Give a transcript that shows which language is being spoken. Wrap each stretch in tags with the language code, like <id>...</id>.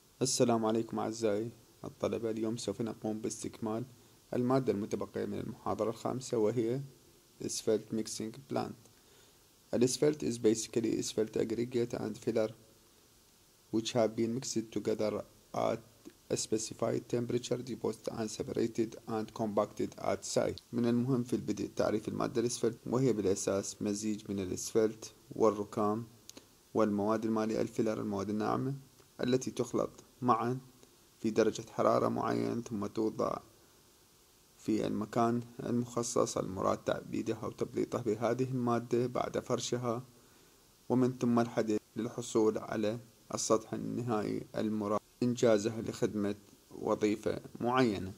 <ar>السلام عليكم أعزائي الطلبة، اليوم سوف نقوم باستكمال المادة المتبقية من المحاضرة الخامسة وهي Asphalt Mixing Plant.</ar> <en>Asphalt is basically asphalt aggregate and filler which have been mixed together at a specified temperature, deposited and separated and compacted at site.</en> <ar>من المهم في البدء تعريف المادة الأسفلت، وهي بالأساس مزيج من الأسفلت والركام والمواد المالئة الفيلر المواد الناعمة التي تخلط معا في درجة حرارة معينة ثم توضع في المكان المخصص المراد تعبيدها وتبليطها بهذه المادة بعد فرشها ومن ثم الحديد للحصول على السطح النهائي المراد إنجازها لخدمة وظيفة معينة.</ar>